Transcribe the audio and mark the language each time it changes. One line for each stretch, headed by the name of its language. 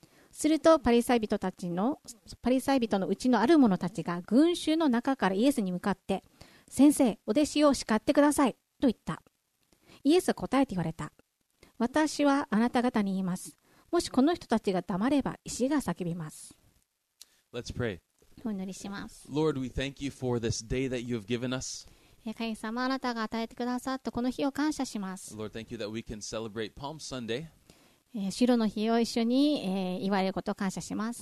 Japanese: するとパリサイ人のうちのある者たちが群衆の中からイエスに向かって、先生、お弟子を叱ってくださいと言った。イエスは答えて言われた。私はあなた方に言います。もしこの人たちが黙れば石が叫びます。
English: Let's pray.
Japanese: お祈りします。
English: Lord, we thank you for this day that you have given us.
Japanese: 神様、あなたが与えてくださったこの日を感謝します。
English: Lord, thank you that we can celebrate Palm Sunday.
Japanese: 白の日を一緒に、祝えることを感謝します。